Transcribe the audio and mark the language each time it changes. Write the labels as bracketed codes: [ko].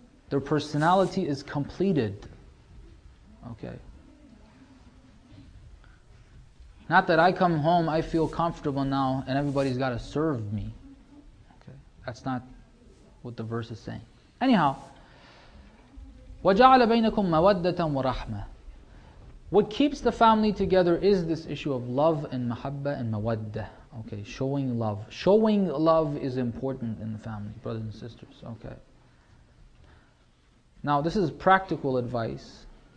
[en] Their personality is completed. Okay. Not that I come home, I feel comfortable now, and everybody's got to serve me. Okay. That's not what the verse is saying. Anyhow, [ar] وَجَعَلَ بَيْنَكُمْ مَوَدَّةً وَرَحْمَةً. [en] What keeps the family together is this issue of love and mahabba and mawaddah. Okay, showing love. Showing love is important in the family, brothers and sisters. Okay. Now, this is practical advice.